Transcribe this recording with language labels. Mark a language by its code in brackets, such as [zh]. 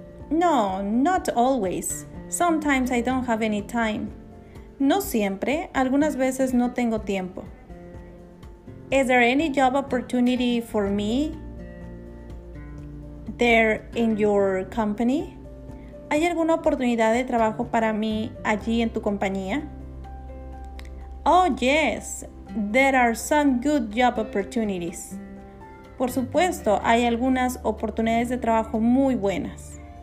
[en] No, not always. Sometimes I don't have any time. [es] No siempre. Algunas veces no tengo tiempo. [en] Is there any job opportunity for me there in your company? [es] ¿Hay alguna oportunidad de trabajo para mí allí en tu compañía? [en] Oh, yes, there are some good job opportunities. [es] Por supuesto, hay algunas oportunidades de trabajo muy buenas.